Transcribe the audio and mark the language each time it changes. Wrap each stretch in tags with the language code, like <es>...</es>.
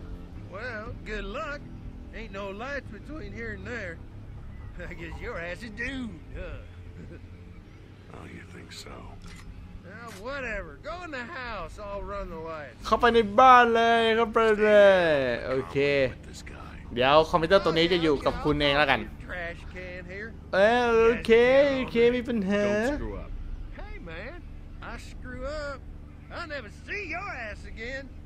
<en>วAin't no lights between here and there. I guess your ass is doomed, huh? Oh, you think so? Well, whatever. Go in the house. I'll run the lights.</en> <th>เข้าไปในบ้านเลยครับเพื่อนๆโอเคเดี๋ยวคอมพิวเตอร์ตัวนี้จะอยู่กับคุณเองแล้วกันโอเคมีปัญหา</th> <en>Don't screw up. Hey, man. I screw up. I'll never see your ass again.</en>